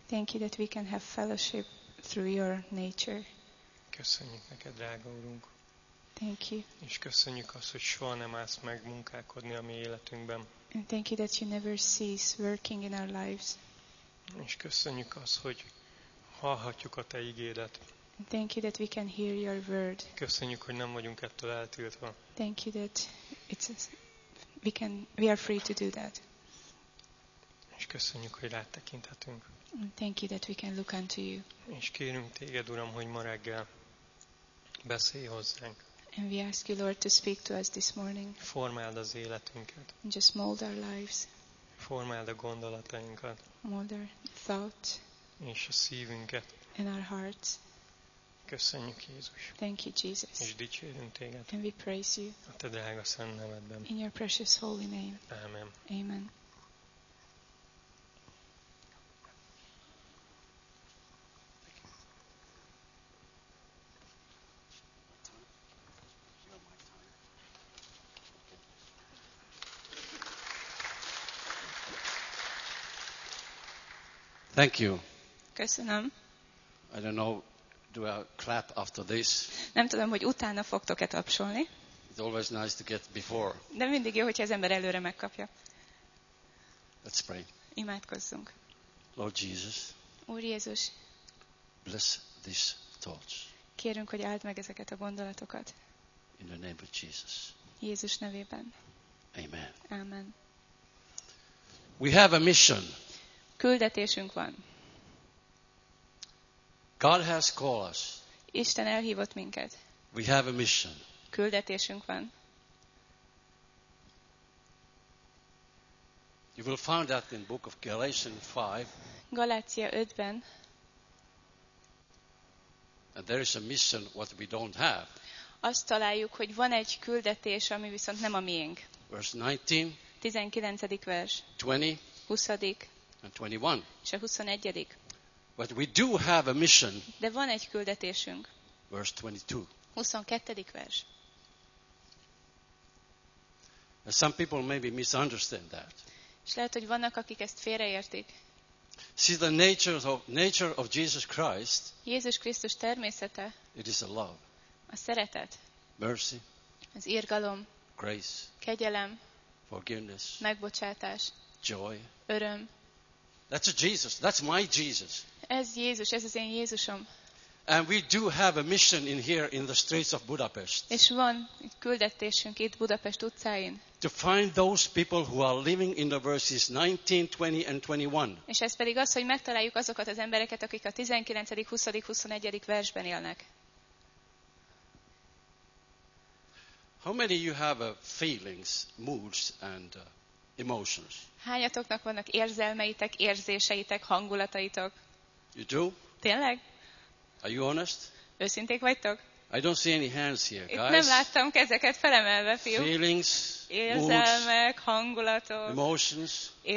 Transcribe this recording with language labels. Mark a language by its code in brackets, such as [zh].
[en] Thank you that we can have fellowship through your nature. [hu] Köszönjük neked, drága Urunk. [en] Thank you. [hu] És köszönjük azt, hogy soha nem állsz meg munkálkodni a mi életünkben. [en] And thank you that you never cease working in our lives. [hu] És köszönjük azt, hogy hallhatjuk a Te igédet. [en] Thank you that we can hear your word. [hu] Köszönjük, hogy nem vagyunk ettől eltiltva. [en] Thank you that we are free to do that. [hu] És köszönjük, hogy rád tekinthetünk. [en] Thank you that we can look unto you. [hu] És kérünk téged, Uram, hogy ma reggel beszélj hozzánk. [en] And we ask you, Lord, to speak to us this morning. [hu] Formáld az életünket. [en] And just mold our lives. [hu] Formáld a gondolatainkat. [en] Mold our thought. [hu] És a szívünket. [en] And our hearts. [hu] Köszönjük, Jézus. [en] Thank you, Jesus. [hu] És dicsérünk téged. [en] And we praise you. [hu] A Te drága szent nevedben. [en] In your precious holy name. [hu] Amen. [en] Amen. Thank you. [hu] Köszönöm. [en] I don't know, do I clap after this? [hu] Nem tudom, hogy utána fogtok-e tapsolni. [en] It's always nice to get before. [hu] De mindig jó, hogyha az ember előre megkapja. [en] Let's pray. [hu] Imádkozzunk. [en] Lord Jesus. [hu] Úr Jézus. [en] Bless these thoughts. [hu] Kérünk, hogy áld meg ezeket a gondolatokat. [en] In the name of Jesus. [hu] Jézus nevében. [en] Amen. [hu] Amen. [en] We have a mission. [hu] Küldetésünk van. [en] God has called us. [hu] Isten elhívott minket. [en] We have a mission. [hu] Küldetésünk van. [en] You will find that in book of Galatians 5. [hu] Galácia 5-ben. [en] And there is a mission what we don't have. [hu] Azt találjuk, hogy van egy küldetés, ami viszont nem a miénk. [en] Verse 19. [hu] 19. vers. [en] 20. [hu] 20. [en] And 21. [hu] Se 21. [en] But we do have a mission. [hu] De van egy küldetésünk. [en] Verse 22. [hu] 22. vers. [en] And some people maybe misunderstand that. [hu] És lehet, hogy vannak, akik ezt félreértik. [en] See the nature of Jesus Christ. [hu] Jézus Krisztus természete. [en] It is a love. [hu] A szeretet. [en] Mercy. [hu] Az irgalom. [en] Grace. [hu] Kegyelem. [en] Forgiveness. [hu] Megbocsátás. [en] Joy. [hu] Öröm. [en] That's Jesus. That's my Jesus. [hu] Ez Jézus, ez az én Jézusom. [en] And we do have a mission in here in the streets of Budapest. [hu] És van küldetésünk itt Budapest utcáin. [en] To find those people who are living in the verses 19, 20 and 21. [hu] És ez pedig az, hogy megtaláljuk azokat az embereket, akik a 19., 20., 21. versben élnek. [en] How many you have feelings, moods and emotions? [hu] Hányatoknak vannak érzelmeitek, érzéseitek, hangulataitok? [en] You do? [hu] Tényleg? [en] Are you honest? [hu] Őszinték vagytok? [en] I don't see any hands here, guys. [hu] Itt nem láttam kezeket felemelve, fiú. [en] Feelings, [hu] érzelmek, hangulatok, [en] emotions,